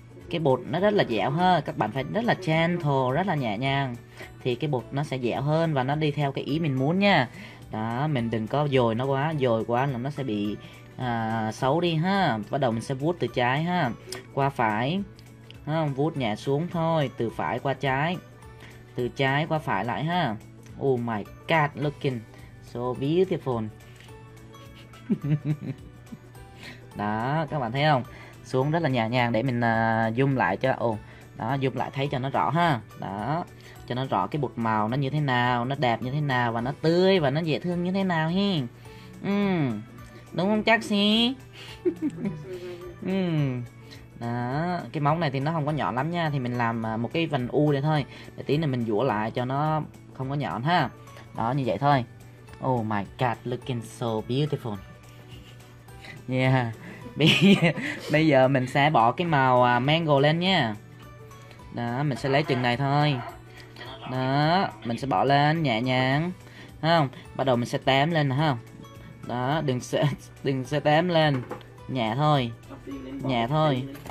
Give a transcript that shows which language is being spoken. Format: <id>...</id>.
<vi>Cái bột nó rất là dẻo ha, các bạn phải rất là gentle, rất là nhẹ nhàng thì cái bột nó sẽ dẻo hơn và nó đi theo cái ý mình muốn nha. Đó, mình đừng có dồi quá là nó sẽ bị xấu đi ha. Bắt đầu mình sẽ vuốt từ trái ha, qua phải ha, vuốt nhẹ xuống thôi, từ phải qua trái, từ trái qua phải lại ha.</vi> <en>Oh my god, looking so beautiful.</en> <vi>Đó, các bạn thấy không? Xuống rất là nhẹ nhàng để mình zoom lại cho đó, zoom lại thấy cho nó rõ ha. Đó, cho nó rõ cái bột màu nó như thế nào, nó đẹp như thế nào và nó tươi và nó dễ thương như thế nào hi. Đúng không chắc xí? Đó, cái móng này thì nó không có nhọn lắm nha, thì mình làm một cái vành u này thôi, để tí nữa mình vuỗ lại cho nó không có nhọn ha. Đó như vậy thôi.</vi> <en>Oh my god, looking so beautiful. Yeah.</en> <vi>Bây giờ mình sẽ bỏ cái màu mango lên nha. Đó, mình sẽ lấy chừng này thôi. Đó, mình sẽ bỏ lên nhẹ nhàng. Thấy không? Bắt đầu mình sẽ tém lên nè ha. Đó, đừng sẽ tém lên. Nhẹ thôi.</vi>